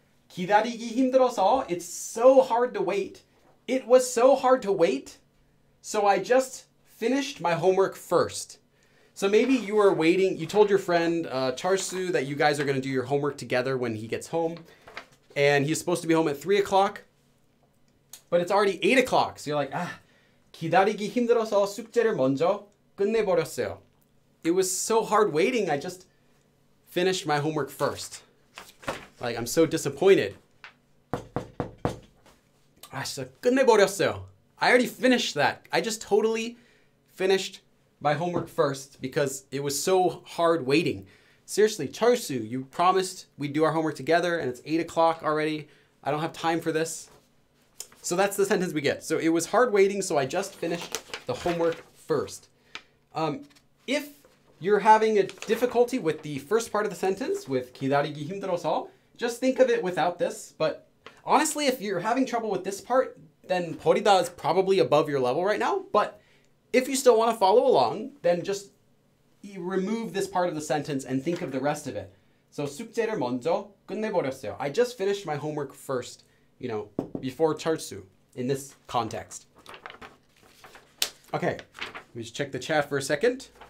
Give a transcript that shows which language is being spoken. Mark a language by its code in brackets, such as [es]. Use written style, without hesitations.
[ko] 기다리기 힘들어서, [en] it's so hard to wait. It was so hard to wait, so I just finished my homework first. So maybe you were waiting. You told your friend Charsu that you guys are going to do your homework together when he gets home. And he's supposed to be home at 3 o'clock. But it's already 8 o'clock. So you're like, ah. [ko] 기다리기 힘들어서 숙제를 먼저 끝내버렸어요. [en] It was so hard waiting. I just finished my homework first. Like, I'm so disappointed. [ko] 아, 진짜 끝내버렸어요. [en] I already finished that. I just totally finished my homework first because it was so hard waiting. Seriously, Charsu, you promised we'd do our homework together and it's 8 o'clock already. I don't have time for this. So that's the sentence we get. So it was hard waiting, so I just finished the homework first. If you're having a difficulty with the first part of the sentence, with [ko] 기다리기 힘들어서, [en] just think of it without this. But honestly, if you're having trouble with this part, then 버리다 is probably above your level right now. But if you still want to follow along, then just remove this part of the sentence and think of the rest of it. [ko] So 숙제를 먼저 끝내버렸어요. [en] I just finished my homework first, you know, before Charsu in this context. Okay, let me just check the chat for a second.